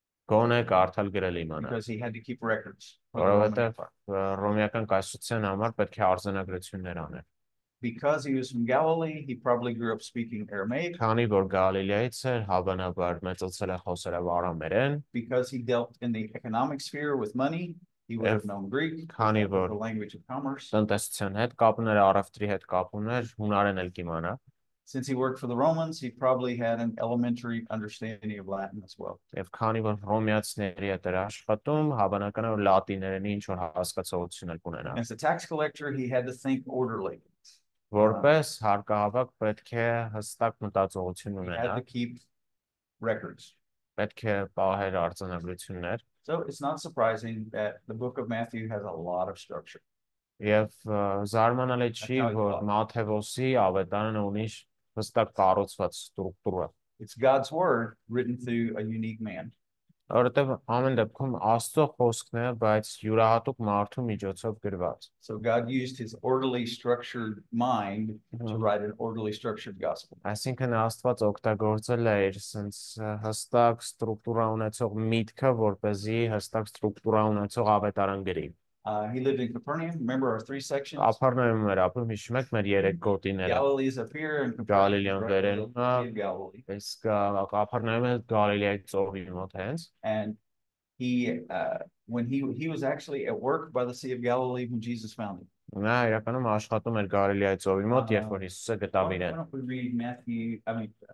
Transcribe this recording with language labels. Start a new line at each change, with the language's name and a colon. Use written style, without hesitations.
Armenian: Գոնե կարդալ գրել իմանա։
English: Because he had to keep records.
Armenian: Որովհետև ռոմեական կայսրության համար պետք է արձանագրություններ անել։
English: Because he was from Galilee, he probably grew up speaking Aramaic.
Armenian: Քանի որ Գալիլեայից էր, հավանաբար մեծացել է խոսելով արամերեն։
English: Because he dealt in the economic sphere with money, he would have known Greek,
Armenian: քանի որ
English: the language of commerce.
Armenian: Տնտեսության հետ կապ ուներ, առևտրի հետ կապ ուներ, հունարեն էլ կիմանա։
English: Since he worked for the Romans, he probably had an elementary understanding of Latin as well.
Armenian: Եվ քանի որ ռոմեացիների հետ էր աշխատում, հավանական է որ լատիներենի ինչ որ հասկացողություն էլ ունենա։
English: As a tax collector, he had to think orderly.
Armenian: Որպես հարկավոր պետք է հստակ մտածողություն ունենա։
English: He had to keep records.
Armenian: Պետք է պահեր արձանագրություններ։
English: So it's not surprising that the book of Matthew has a lot of structure.
Armenian: Եվ զարմանալի չի, որ Մաթեոսի ավետարանը ունի հստակ կառուցված ստրուկտուրա։
English: It's God's word written through a unique man.
Armenian: Որտեղ ամեն դեպքում Աստծո խոսքն է, բայց յուրահատուկ մարդու միջոցով գրված։
English: So God used his orderly structured mind to write an orderly structured gospel.
Armenian: Այսինքն Աստված օգտագործել է իր sense հստակ ստրուկտուրա ունեցող միտքը, որպեսզի հստակ ստրուկտուրա ունեցող ավետարան գրի։
English: He lived in Capernaum, remember our three sections?
Armenian: Ապառնայում էր, ապրում հիշում եք մեր երեք գոտիները։
English: Galilee's up here and Galilean Capernaum. Galilee.
Armenian: Ես Ապառնայում էր Գալիլեայի ծովի մոտ հենց։
English: And he was actually at work by the Sea of Galilee when Jesus found him.
Armenian: Նա իրականում աշխատում էր Գալիլեայի ծովի մոտ, երբ որ Հիսուսը գտավ իրեն։